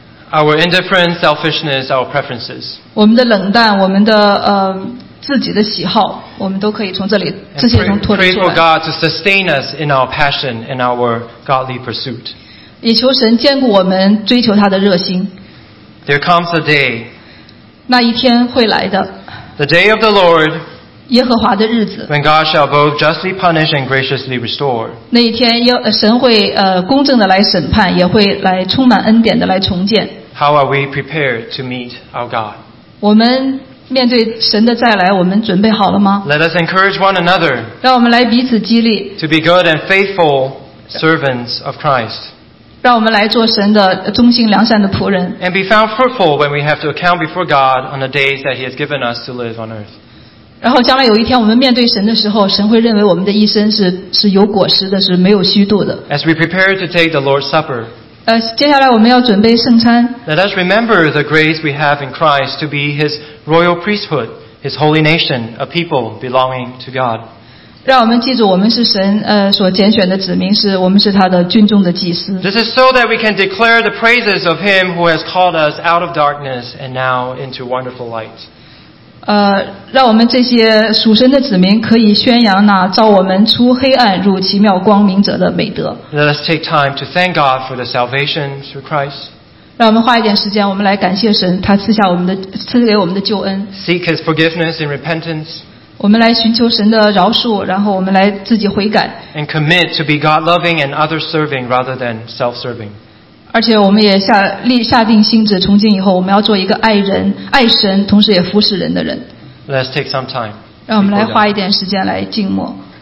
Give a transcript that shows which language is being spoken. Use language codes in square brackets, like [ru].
[en] Our indifference, selfishness, our preferences. [zh] 我们的冷淡，我们的自己的喜好，我们都可以从这里这些中脱离出来。 [en] Pray for God to sustain us in our passion in our godly pursuit. [zh] 也求神坚固我们追求他的热心。 [en] There comes a day. [zh] 那一天会来的。 [en] The day of the Lord. [zh] 耶和华的日子。 [en] When God shall both justly punish and graciously restore. [zh] 那一天神会公正的来审判，也会来充满恩典的来重建。 [en] How are we prepared to meet our God? [zh] 我们面对神的再来，我们准备好了吗？ [en] Let us encourage one another. [zh] 让我们来彼此激励。 [en] To be good and faithful servants of Christ. [zh] 让我们来做神的忠心良善的仆人。 [en] And be found fruitful when we have to account before God on the days that He has given us to live on earth. [zh] 然后将来有一天我们面对神的时候，神会认为我们的一生是有果实的，是没有虚度的。 [en] As we prepare to take the Lord's Supper. [zh] 接下来我们要准备圣餐。 [en] Let us remember the grace we have in Christ to be His royal priesthood, His holy nation, a people belonging to God. [zh] 让我们记住我们是神所拣选的子民，是我们是他的军中的祭司。 [en] This is so that we can declare the praises of him who has called us out of darkness and now into wonderful light. [zh] 让我们这些属神的子民可以宣扬那召我们出黑暗入奇妙光明者的美德。 [en] Let us take time to thank God for the salvation through Christ. [zh] 让我们花一点时间，我们来感谢神，他赐给我们的救恩。 [en] Seek his forgiveness in repentance. [zh] 我们来寻求神的饶恕，然后我们来自己悔改。 [en] And commit to be God-loving and others-serving rather than self-serving. [zh] 而且我们也下定心志，从今以后我们要做一个爱人、爱神，同时也服侍人的人。 [en] Let's take some time. [zh] 让我们来花一点时间来静默。